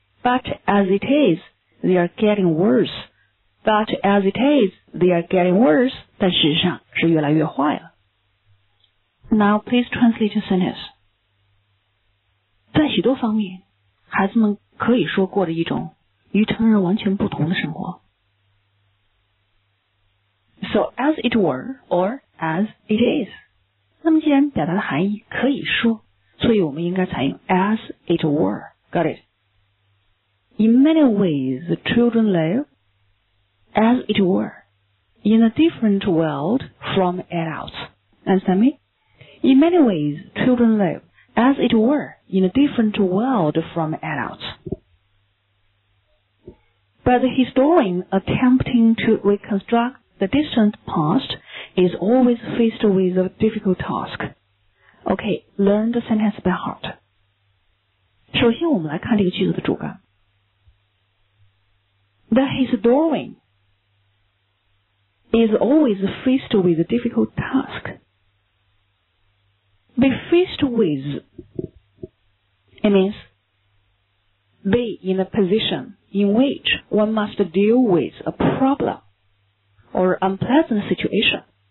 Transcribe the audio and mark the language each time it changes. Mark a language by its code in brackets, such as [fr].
[en] But as it is, they are getting worse. But as it is, they are getting worse. [zh] 但事实上是越来越坏了。 [en] Now, please translate your sentence. [zh] 在许多方面，孩子们可以说过着一种与成人完全不同的生活。 [en] So, as it were, or as it is. [zh] 那么既然表达的含义可以说，所以我们应该采用 as it were. [en] Got it? In many ways, children live as it were in a different world from adults. Understand me? In many ways, children live as it were in a different world from adults. But the historian attempting to reconstruct the distant past is always faced with a difficult task. Okay, learn the sentence by heart. [zh] 首先我们来看这个句子的主干。 [en] The historian is always faced with a difficult task. Be faced with, it means be in a position. In which one must deal with a problem or unpleasant situation.